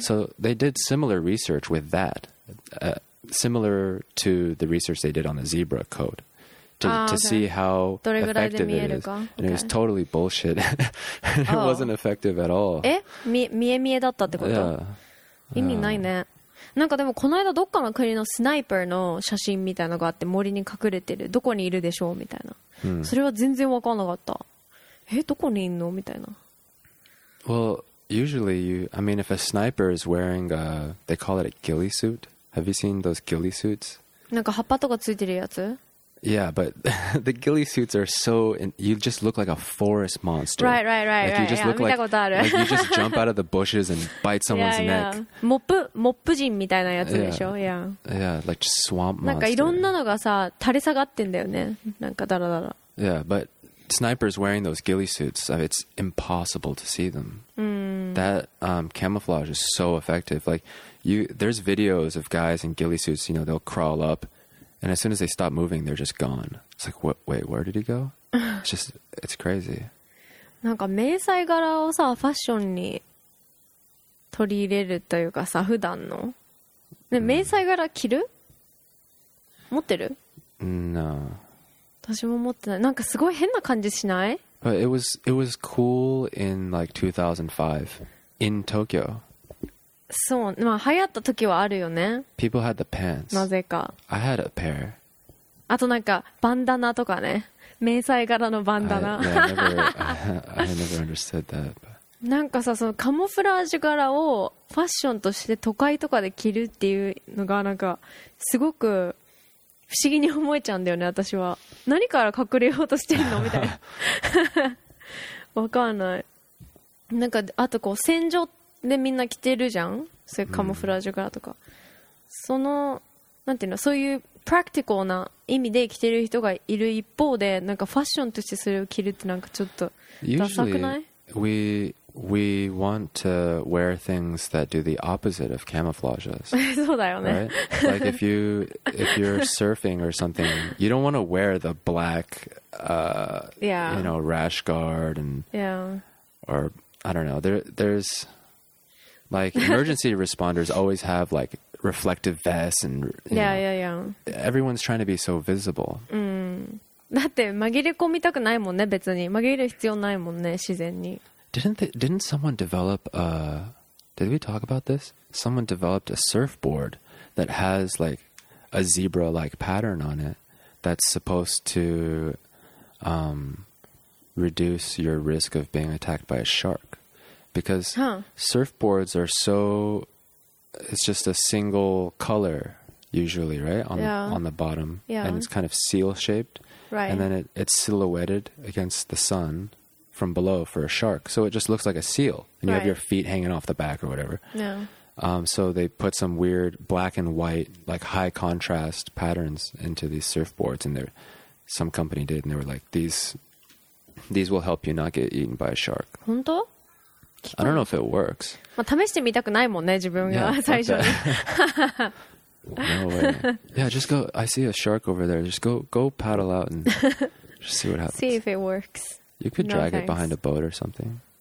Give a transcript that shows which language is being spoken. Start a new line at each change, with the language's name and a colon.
English: So they did similar research with that, similar to the research they did on the zebra coat, to see how effective it is. And it was totally bullshit. It wasn't effective at all.
Japanese: え、見え見えだったってこと？
English: Yeah.
Japanese: 意味ないね。なんかでもこの間どっかの国のスナイパーの写真みたいなのがあって森に隠れてる。どこにいるでしょうみたいな。それは全然わかんなかった。え、どこにいんのみたいな。
English: Well,Usually, if a sniper is wearing they call it a ghillie suit. Have you seen those ghillie suits?
Japanese: なんか葉っぱとかついてるやつ?
English: Yeah, but the ghillie suits are so, you just look like a forest monster. Right. Like, you just yeah, look like you just jump out of the bushes and bite someone's neck.
Japanese: モップ人みたいなやつでしょ?
English: Yeah. Yeah, like swamp monster.
Japanese: なんかいろんなのがさ、垂れ下がってんだよね。なんかだらだら。
English: Yeah, but... Snipers wearing those ghillie suits, it's impossible to see them. That camouflage is so effective. Like, there's videos of guys in ghillie suits, you know, they'll crawl up, and as soon as they stop moving, they're just gone. It's like, wait, where did he go? It's crazy.
Japanese: なんか迷彩柄をさ、ファッションに取り入れるというかさ、普段の。ね、迷彩柄着る？持ってる？
English: No.
Japanese: 私も持ってない。なんかすごい変な感じしない
English: ？But it was cool in like 2005 in Tokyo.
Japanese: そう、まあ流行った時はあるよね。
English: People had the pants.
Japanese: なぜか。
English: I had a pair.
Japanese: あとなんかバンダナとかね。迷彩柄のバンダナ。
English: I never understood that. But...
Japanese: なんかさ、そのカモフラージュ柄をファッションとして都会とかで着るっていうのがなんかすごく不思議に思えちゃうんだよね私は何から隠れようとしてんのみたいなわかんないなんかあとこう戦場でみんな着てるじゃんそういうカモフラージュ柄とか、そのなんていうのそういうプラクティカルな意味で着てる人がいる一方でなんかファッションとしてそれを着るってなんかちょっとダサくない
English: Usually, we want to wear things that do the opposite of camouflages.
Japanese: そうだよね。
English: Right? Like if you're surfing or something, you don't want to wear the black, you know, rash guard and, or I don't know. There's like emergency responders always have like reflective vests and you know, everyone's trying to be so visible.
Japanese: だって紛れ込みたくないもんね、別に紛れる必要ないもんね、自然に。
English: Didn't someone develop a? Did we talk about this? Someone developed a surfboard that has like a zebra-like pattern on it that's supposed to reduce your risk of being attacked by a shark. Because surfboards are so, it's just a single color usually, right? On the bottom. Yeah. And it's kind of seal-shaped. Right. And then it's silhouetted against the sun from below for a shark. So it just looks like a seal. And you have your feet hanging off the back or whatever. Yeah. So they put some weird black and white, like high contrast patterns into these surfboards. And some company did. And they were like, these will help you not get eaten by a shark.
Japanese: 本当?
English: I don't know if it works.
Japanese: まあ、試してみたくないもんね、自分が最初に。
English: No way. Yeah, just go. I see a shark over there. Just go paddle out and just see what happens. See if it works. You could drag it behind a boat or something.